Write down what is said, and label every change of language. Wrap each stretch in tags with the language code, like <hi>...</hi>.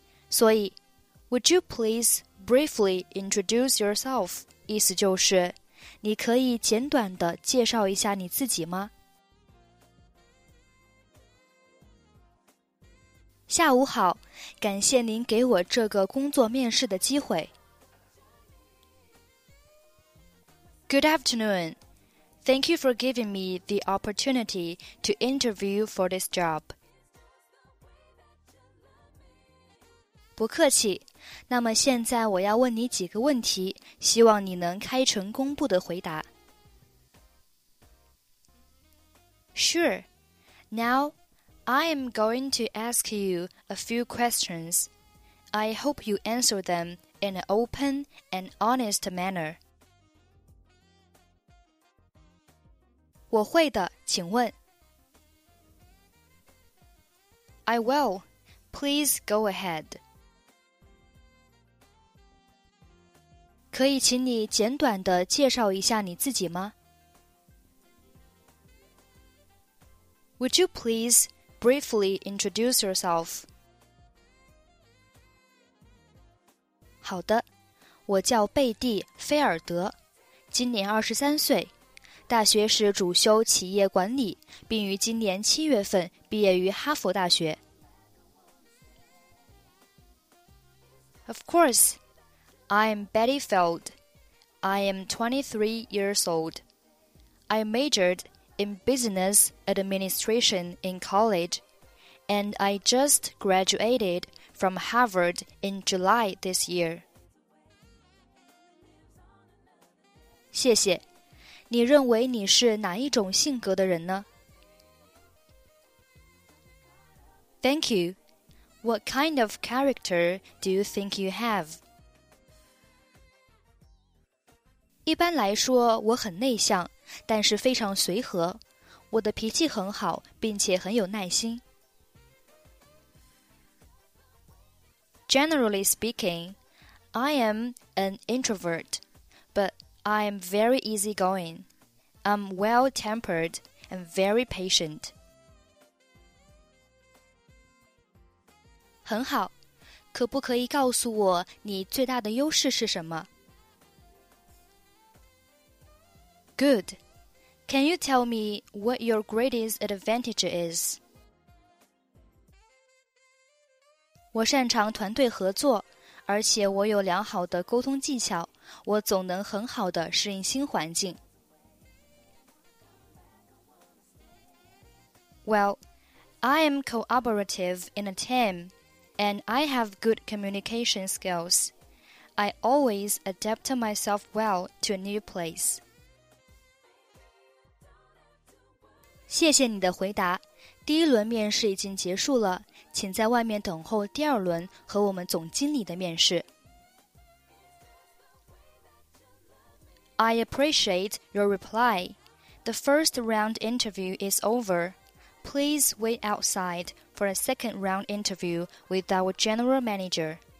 <en>所以 ,would you please briefly introduce yourself?</en> <zh>意思就是，你可以简短的介绍一下你自己吗？下午好，感谢您给我这个工作面试的机会。</zh> <en>Good afternoon. Thank you for giving me the opportunity to interview for this job.</en> <zh>不客气，那么现在我要问你几个问题，希望你能开诚公布地回答。</zh> <en>Sure. Now,I am going to ask you a few questions. I hope you answer them in an open and honest manner.</en> <zh>我会的，请问。</zh> <en>I will. Please go ahead.</en> <zh>可以请你简短地介绍一下你自己吗？</zh> <en>Would you please... briefly introduce yourself.</en> <zh>好的，我叫贝蒂·菲尔德，今年23岁，大学时主修企业管理，并于今年7月份毕业于哈佛大学。</zh> <en>Of course, I am Betty Feld. I am 23 years old. I majored in business administration in college. And I just graduated from Harvard in July this year.</en> <zh>谢谢。你认为你是哪一种性格的人呢？</zh> <en>Thank you. What kind of character do you think you have?</en> <zh>一般来说，我很内向，但是非常随和。我的脾气很好，并且很有耐心。</zh> <en>Generally speaking, I am an introvert, but I am very easygoing. I'm well-tempered and very patient.</en> <zh>很好，可不可以告诉我你最大的优势是什么？</zh> <en>Good. Can you tell me what your greatest advantage is?</en> <zh>我擅长团队合作，而且我有良好的沟通技巧，我总能很好地适应新环境。</zh> <en>Well, I am cooperative in a team, and I have good communication skills. I always adapt myself well to a new place.</en> <zh>谢谢你的回答。第一轮面试已经结束了，请在外面等候第二轮和我们总经理的面试。</zh> <en>I appreciate your reply. The first round interview is over. Please wait outside for a second round interview with our general manager.</en>